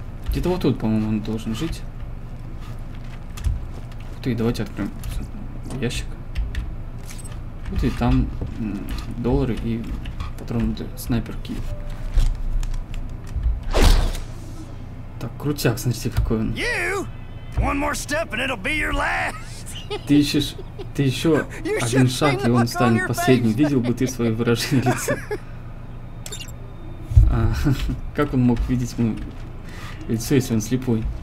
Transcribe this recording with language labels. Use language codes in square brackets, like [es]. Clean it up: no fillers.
[ru] Где-то вот тут, по-моему, он должен жить. Ух ты, давайте откроем ящик. Вот и там доллары и патроны для снайперки. Так, крутяк, смотрите, какой он. [en] One more step and it'll be your last. [ru] Ты ищешь, ты еще один шаг, и он станет последним. Видел бы ты свое выражение лица. А, как он мог видеть мое лицо, если он слепой?